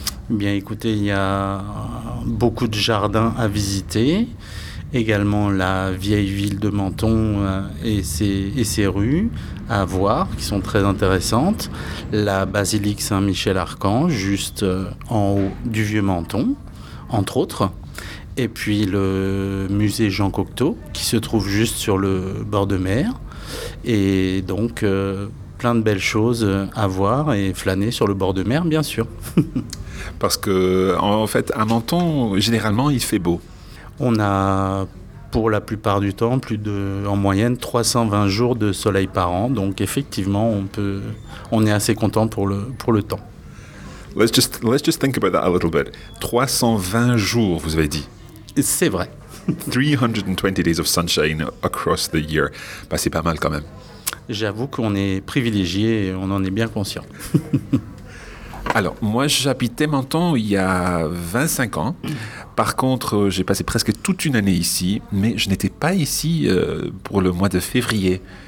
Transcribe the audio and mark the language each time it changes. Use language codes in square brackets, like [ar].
[fr] Bien, écoutez, il y a beaucoup de jardins à visiter, également la vieille ville de Menton et ses rues à voir, qui sont très intéressantes, la basilique Saint-Michel-Archange, juste en haut du vieux Menton, entre autres, et puis le musée Jean Cocteau, qui se trouve juste sur le bord de mer, et donc plein de belles choses à voir et flâner sur le bord de mer, bien sûr. Parce que, en fait, à Menton, généralement, il fait beau. On a, pour la plupart du temps, plus de, en moyenne, 320 jours de soleil par an. Donc, effectivement, on est assez content pour le temps. [en] Let's just think about that a little bit. [fr] 320 jours, vous avez dit. C'est vrai. [en] 320 days of sunshine across the year. [fr] Bah, c'est pas mal quand même. J'avoue qu'on est privilégié et on en est bien conscient. Alors, moi, j'habitais Menton il y a 25 ans. Par contre, j'ai passé presque toute une année ici, mais je n'étais pas ici pour le mois de février.